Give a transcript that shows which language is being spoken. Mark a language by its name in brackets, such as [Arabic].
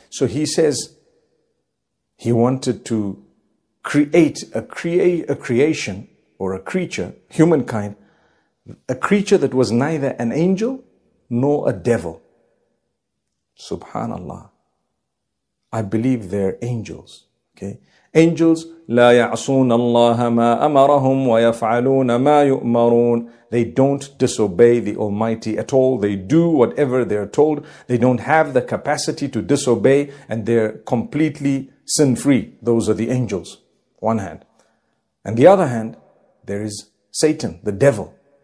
[English] So he says he wanted to create a creation or a creature, humankind, a creature that was neither an angel nor a devil. SubhanAllah. I believe they're angels. Okay. [Arabic] Angels, لا يعصون الله ما أمرهم ويفعلون ما يؤمرون. [English] They don't disobey the Almighty at all. They do whatever they're told. They don't have the capacity to disobey and they're completely sin-free. Those are the angels, one hand. And the other hand, there is Satan, the devil.